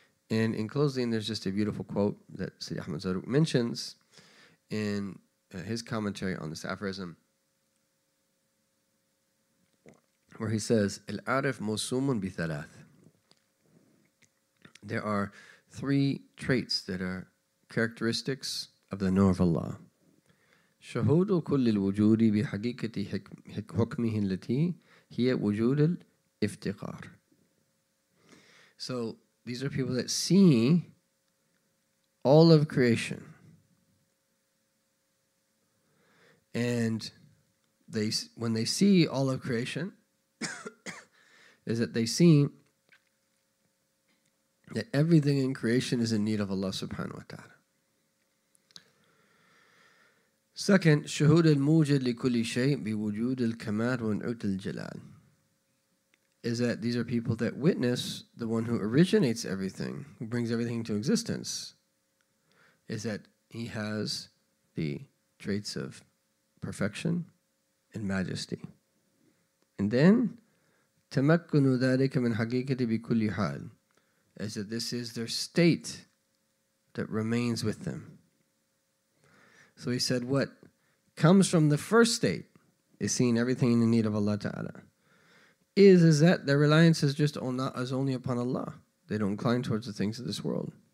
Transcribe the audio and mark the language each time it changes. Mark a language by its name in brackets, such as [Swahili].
[English] And in closing, there's just a beautiful quote that Sayyid Ahmad Zaruk mentions in his commentary on this aphorism, where he says, [Arabic] "Al-arif mawsumun bi thalath." [English] There are three traits that are characteristics of the knower of Allah. [Arabic] شهود كل الوجود بحقيقة حكمه التي هي وجود الافتقار. [English] So these are people that see all of creation, and they, when they see all of creation, is that they see that everything in creation is in need of Allah subhanahu wa ta'ala. Second, [Arabic] شهود الموجود لكل شيء بوجود الكمال ونعوت الجلال. [English] Is that these are people that witness the one who originates everything, who brings everything into existence, is that he has the traits of perfection and majesty. And then, [Arabic] تمكن ذلك من حقيقة بكل حال. [English] is that this is their state that remains with them. So he said, what comes from the first state is seeing everything in the need of Allah Ta'ala. Is that their reliance is just on, is only upon Allah. They don't incline towards the things of this world.